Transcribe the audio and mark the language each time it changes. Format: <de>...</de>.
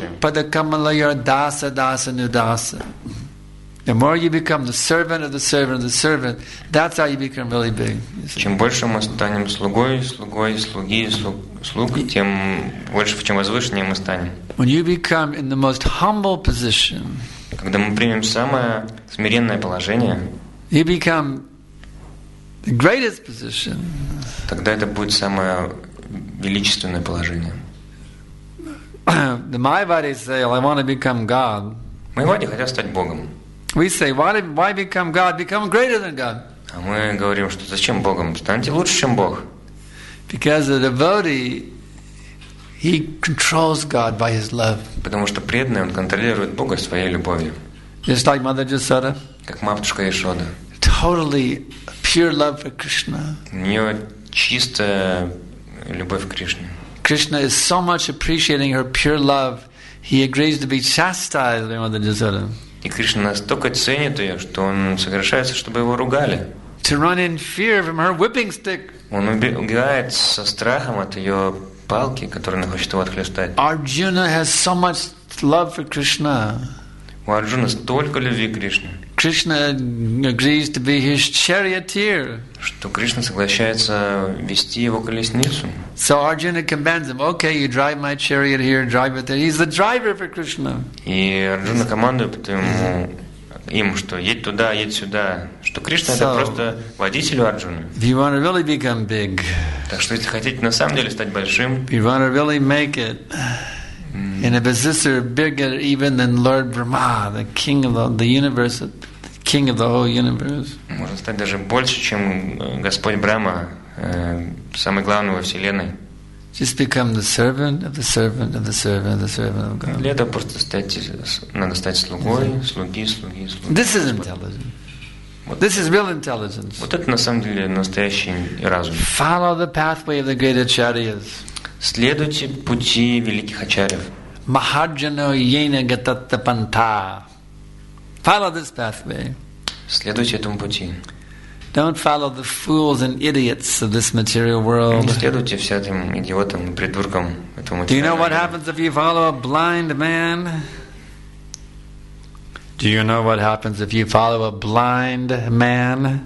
<sa>Gopi partu pada kamala yar dasa dasa nudasa.</sa> <en>The more you become the servant of the servant of the servant, that's how you become really big.</en> <ru>Чем больше мы станем слугой, слугой, слуги, слуг, тем больше, чем возвышеннее мы станем.</ru> <en>When you become in the most humble position,</en> <ru>когда мы примем самое смиренное положение,</ru> <en>you become the greatest position.</en> <ru>Тогда это будет самое величественное положение.</ru> <en>The Майвадис say, "I want to become God."</en> <ru>Майвади хотят стать Богом.</ru> <en>We say, "Why become God? Become greater than God."</en> <ru>А мы говорим, что зачем Богом? Станьте лучше, чем Бог.</ru> <en>Because the devotee, he controls God by his love.</en> <ru>Потому что преданный он контролирует Бога своей любовью.</ru> <en>Just like Mother Yashoda.</en> <ru>Как матушка Яшода.</ru> <en>Totally pure love for Krishna.</en> <ru>У нее чистая любовь к Кришне.</ru> <en>Krishna is so much appreciating her pure love, he agrees to be chastised by Mother Yashoda.</en> <ru>И Кришна настолько ценит ее, что он соглашается, чтобы его ругали.</ru> <en>To run in fear from her whipping stick.</en> <ru>Он убегает со страхом от ее палки, которую она хочет его отхлестать.</ru> <en>Arjuna has so much love for Krishna.</en> <ru>У Арджуны столько любви к Кришне.</ru> <en>Krishna agrees to be his charioteer.</en> <ru>Что Кришна соглашается вести его колесницу.</ru> <en>So Arjuna commands him, "Okay, you drive my chariot here, drive it there." He's the driver for Krishna.</en> <ru>И Арджуна командует им, что едь туда, едь сюда, что Кришна это просто водитель Арджуны.</ru> <en>If you want to really become big,</en> <ru>так что если хотите на самом деле стать большим,</ru> <en>if you want to really make it. And if his sister is bigger even than Lord Brahma, the king of the universe, the king of the whole universe.</en> <ru>Можно стать даже больше, чем Господь Брама, самый главный во вселенной.</ru> <en>Just become the servant of the servant of the servant of the servant of God.</en> <ru>Для этого просто надо стать слугой, слуги, слуги, слуги.</ru> <en>This is intelligence. This is real intelligence.</en> <ru>Вот это на самом деле настоящий разум.</ru> <en>Follow the pathway of the great acharyas.</en> <ru>Следуйте пути великих ачарьев.</ru> <sa>Mahajano yena gatatta panta.</sa> <en>Follow this pathway.</en> <ru>Следуйте этому пути.</ru> <en>Don't follow the fools and idiots of this material world.</en> <ru>Не следуйте всяким идиотам и придуркам этого материального мира.</ru> <en>Do you know what happens if you follow a blind man? Do you know what happens if you follow a blind man?</en>